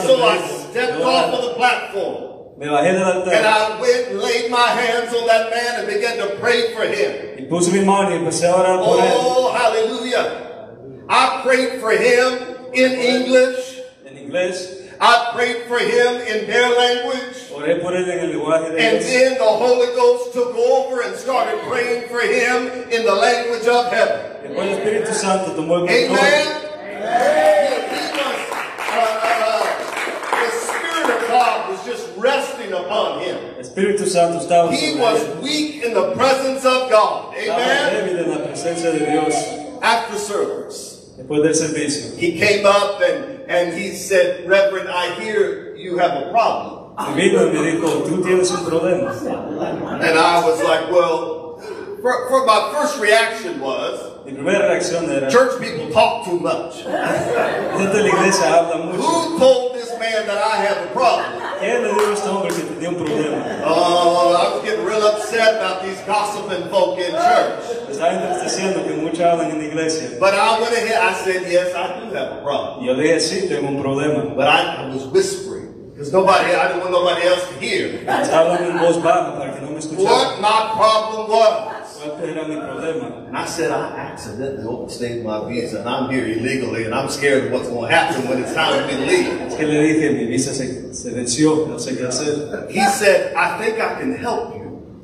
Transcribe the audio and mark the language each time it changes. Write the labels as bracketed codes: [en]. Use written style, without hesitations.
[en] And so I stepped off of the platform. [es] Me bajé del altar. [en] And I went and laid my hands on that man and began to pray for him. [es] Y puse mi mano y empecé a orar por él. [en] Oh, hallelujah. I prayed for him in English. [es] En inglés. [en] I prayed for him in their language. [es] Oré por él en el lenguaje de ellos. [en] And then the Holy Ghost took over and started praying for him in the language of heaven. [es] El Espíritu Santo tomó el control. [en] Amen. The Spirit of God was just resting upon him. [es] Espíritu Santo estaba [en] he was [es] él. [en] Weak in the presence of God. Amen. [es] Débil en la presencia de Dios. [en] After service. [es] Después del servicio. [en] He came up and he said, Reverend, I hear you have a problem. [es] Y vino y me dijo, tú tienes un problema. [en] And I was like, well, for my first reaction was, [es] mi primera reacción era, [en] church people talk too much. [es] Gente de la iglesia habla mucho. [en] Who told this man that I have a problem? [es] ¿Quién le dijo a este hombre que tenía un problema? [en] I was getting real upset about these gossiping folk in church. [es] Estaba diciendo que mucho hablan en la iglesia. [en] But I went ahead, I said, yes, I do have a problem. [es] Yo le dije, sí, tengo un problema. [en] But I was whispering. Because nobody, I didn't want nobody else to hear. [es] Estaba en voz baja para que no me escuchara. [en] What my problem was. [es] Problema. [en] And I said, I accidentally overstayed my visa and I'm here illegally and I'm scared of what's going to happen when it's time for me to leave. [es] Es que le dije, mi visa se venció, no sé qué hacer. [en] He said, I think I can help you.